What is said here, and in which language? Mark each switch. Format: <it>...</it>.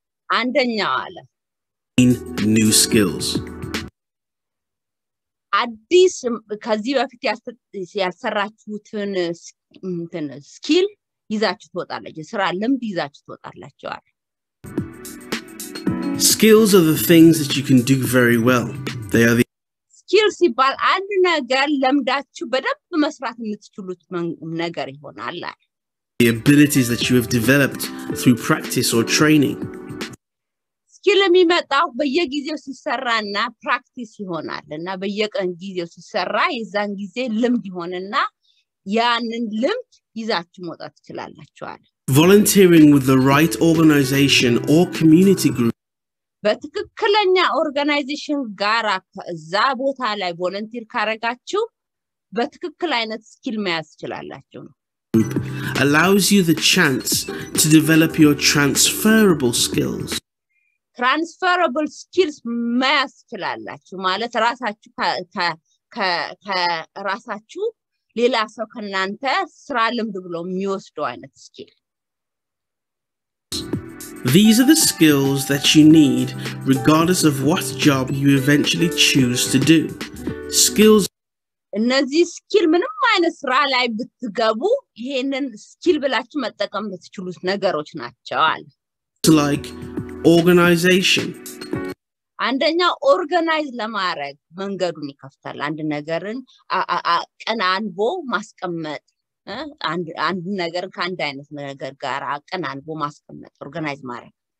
<am>አንደኛ አለ.</am> <en>new skills.</en> <am>አዲስ ከዚህ በፊት ያልሰራችሁትን እንትን skill ይዛችሁ ትወጣላችሁ ስራ ለምድ ይዛችሁ ትወጣላችሁ አለ</am> <en>skills are the things that you can do very well they are the</en> <am>skills ይባል አንድ ነገር ለምዳችሁ በደንብ መስራት የምትችሉት ነገር ይሆናል አለ</am> <en>the abilities that you have developed through practice or training</en> <am>skill የሚመጣው በየጊዜው ሲሰራና practice ይሆናልና በየቀን ጊዜው ሲሰራ የዛን ጊዜ ልምድ ይሆንና ያንን ልምድ ይዛችሁ መውጣት ትችላላችሁ አለ</am> <en>volunteering with the right organization or community group</en> <am>በትክክለኛ ኦርጋናይዜሽን ጋራ ከዛ ቦታ ላይ volunteer ካረጋችሁ በትክክል አይነት skill መያዝ ትችላላችሁ</am> <en>ነው allows you the chance to develop your transferable skills</en> <am>transferable skills መያዝ ትችላላችሁ ማለት ራሳችሁ ከራሳችሁ ሌላ ሰው ከናንተ ስራ ልምድ ብሎ የሚወስደው አይነት skill</am> <en>These are the skills that you need regardless of what job you eventually choose to do. Skills</en> <am>እነዚህ skill ምንም አይነት ስራ ላይ ብትገቡ ይሄንን skill ብላችሁ መጠቀም የምትችሉት ነገሮች ናቸው አለ</am> <en>Like organization</en> <am>አንደኛ ኦርጋናይዝ ለማድረግ መንገዱን ይከፍታል አንድ ነገርን አቀናንቦ ማስቀመጥ አንድ ነገር ከአንድ አይነት ነገር ጋር አቀናንቦ ማስቀመጥ ኦርጋናይዝ ማድረግ</am>